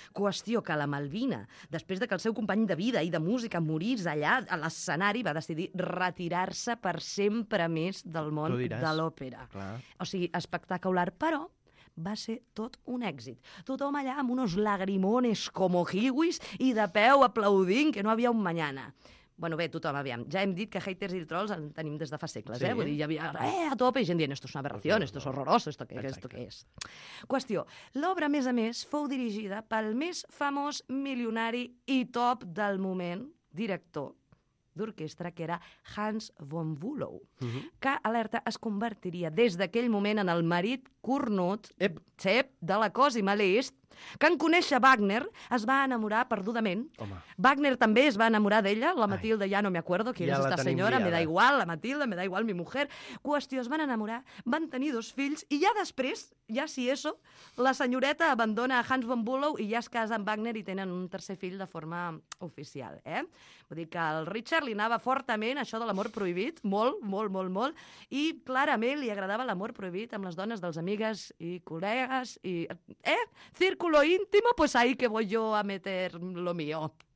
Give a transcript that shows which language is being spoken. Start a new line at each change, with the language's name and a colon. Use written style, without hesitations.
Catalan: Qüestió que la Malvina, després de que el seu company de vida i de música morís allà a l'escenari, va decidir retirar-se per sempre més del món de l'òpera. O sigui, espectacular, però... va ser tot un èxit. Tothom allà amb
Spanish: unos lagrimones como kiwis
Catalan: i de peu aplaudint que no havia un mañana. Bueno, bé, tothom, aviam. Ja hem dit que haters i trolls en tenim des de fa segles, sí. eh? Vull dir, hi havia a tope i gent dient,
Spanish: esto es una aberración, esto es horroroso, esto que, esto que es.
Catalan: Qüestió. L'obra, a més, fou dirigida pel més famós milionari i top del moment, director d'orquestra, que era Hans von Bülow, que, alerta, es convertiria des d'aquell moment en el marit cornut de la Cosima Liszt, que en conèixer Wagner es va enamorar perdudament. Home. Wagner també es va enamorar d'ella, la Matilde ja
Spanish: no me acuerdo
Catalan: qui és esta senyora,
Spanish: me da igual la Matilde, me da igual mi mujer.
Catalan: Qüestió, es van enamorar, van tenir 2 fills i ja després, ja si eso, la senyoreta abandona a Hans von Bülow i ja es casa amb Wagner i tenen un tercer fill de forma oficial. Vull dir que el Richard li anava fortament això de l'amor prohibit, molt, i clarament li agradava l'amor prohibit amb les dones dels amigues i col·legues i...
Spanish: Círculo íntimo, pues ahí que voy yo a meter lo mío.